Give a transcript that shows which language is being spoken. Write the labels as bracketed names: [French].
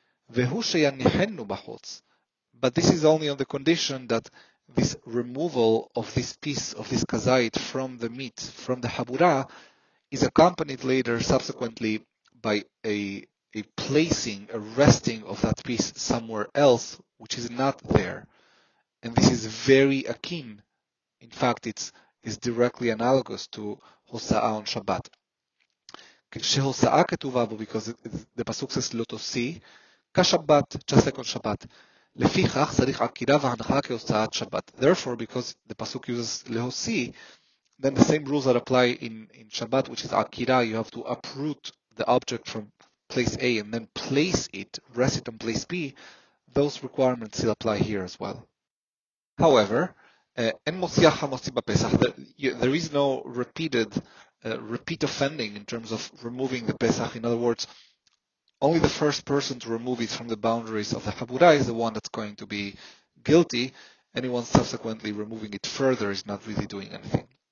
[Hebrew] Vehu sheyanihenu b'chutz. [English] But this is only on the condition that this removal of this piece, of this kazayit from the meat, from the habura, is accompanied later, subsequently, by a placing, a resting of that piece somewhere else, which is not there. And this is very akin. In fact, it's directly analogous to Hosa'a on Shabbat. [Hebrew] Kshehosa'a ketuvah, [English] because the pasuk says lotosi, kashabbat, just like on Shabbat. [Hebrew] לפיכך צריך עקירה והנחה כהוצאת שבת. [English] Therefore, because the pasuk uses להוציא, then the same rules that apply in Shabbat, which is עקירה, you have to uproot the object from place A and then place it, rest it on place B, those requirements still apply here as well. However, [Hebrew] אין מוציאה חמוצים בפסח. [English] There is no repeat offending in terms of removing the Pesach. In other words, only the first person to remove it from the boundaries of the habura is the one that's going to be guilty. Anyone subsequently removing it further is not really doing anything.